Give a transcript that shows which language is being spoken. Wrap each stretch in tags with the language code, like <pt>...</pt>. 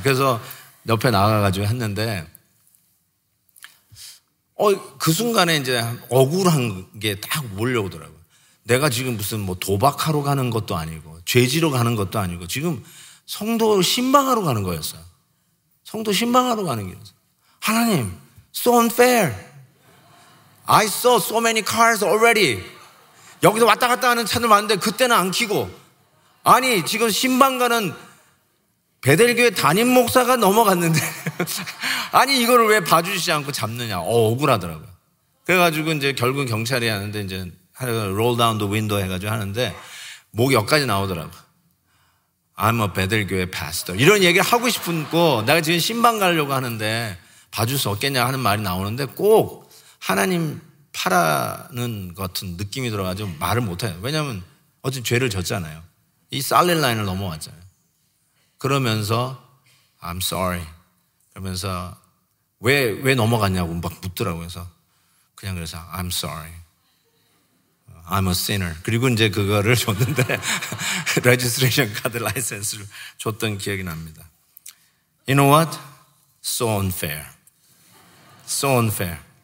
<ko>그래서 옆에 나가가지고 했는데, 그 순간에 이제 억울한 게 딱 몰려오더라고요. 내가 지금 무슨 뭐 도박하러 가는 것도 아니고, 죄지러 가는 것도 아니고, 지금 성도 신방하러 가는 거였어요. 성도 신방하러 가는 길이었어요. 하나님,</ko> <en>so unfair. I saw so many cars already.</en> <ko>여기서 왔다 갔다 하는 차들 많은데 그때는 안 키고. 아니, 지금 신방가는 베델교회 담임 목사가 넘어갔는데. 아니, 이거를 왜 봐주시지 않고 잡느냐. 억울하더라고요. 그래가지고 이제 결국은 경찰이 하는데 이제</ko> <en>roll down the window</en> <ko>해가지고 하는데 목이 여기까지 나오더라고요.</ko> <en>I'm a 베델교회 pastor.</en> <ko>이런 얘기를 하고 싶고 내가 지금 신방 가려고 하는데 봐줄 수 없겠냐 하는 말이 나오는데 꼭 하나님 파라는 것 같은 느낌이 들어가지고 말을 못해요. 왜냐하면 어쨌든 죄를 졌잖아요. 이 살린 라인을 넘어왔잖아요. 그러면서</ko> <en>I'm sorry.</en> <ko>그러면서 왜 넘어갔냐고 막 묻더라고요. 그래서 그냥 그래서</ko> <en>I'm sorry. I'm a sinner.</en> <ko>그리고 이제 그거를 줬는데 registration card 라이센스를 줬던 기억이 납니다.</ko> <en>You know what? So unfair. So unfair.</en>